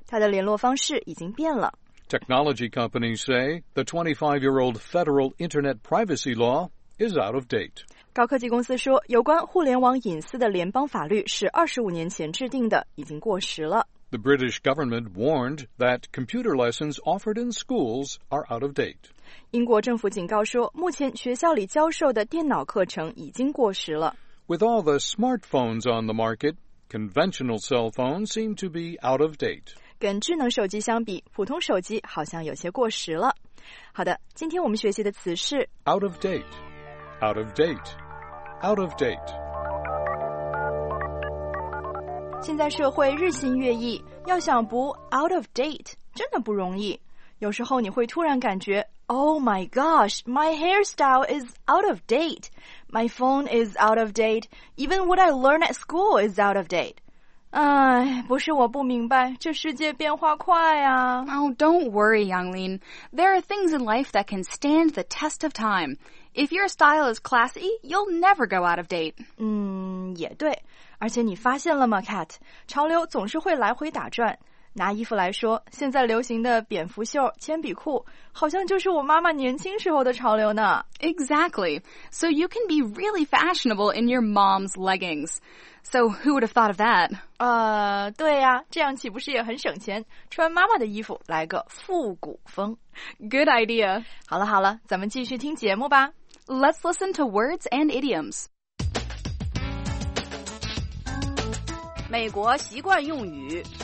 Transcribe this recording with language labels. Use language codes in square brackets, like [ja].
[zh] 他的联络方式已经变了。 [en] Technology companies say the 25-year-old federal internet privacy law is out of date. [zh] 高科技公司说，有关互联网隐私的联邦法律是25年前制定的，已经过时了。 [en] The British government warned that computer lessons offered in schools are out of date. [zh] 英国政府警告说，目前学校里教授的电脑课程已经过时了。 [en] With all the smartphones on the market,Conventional cell phones seem to be out of date. [zh] 跟智能手机相比，普通手机好像有些过时了。好的，今天我们学习的词是 [en] out of date, out of date, out of date. [zh] 现在社会日新月异，要想不 out of date 真的不容易。有时候你会突然感觉 [en] Oh my gosh, my hairstyle is out of date. My phone is out of date. Even what I learn at school is out of date. [zh] 哎，不是我不明白，这世界变化快啊。 [en] Oh, don't worry, Yanglin. There are things in life that can stand the test of time. If your style is classy, you'll never go out of date. [zh] 也对。而且你发现了吗 ,Cat? 潮流总是会来回打转。拿衣服来说，现在流行的蝙蝠袖、铅笔裤，好像就是我妈妈年轻时候的潮流呢。 [en] Exactly. So you can be really fashionable in your mom's leggings. So who would have thought of that? [zh] 对呀，这样岂不是也很省钱？穿妈妈的衣服来个复古风。 [en] Good idea. [zh] 好了好了，咱们继续听节目吧。 [en] Let's listen to words and idioms. [zh] 美国习惯用语。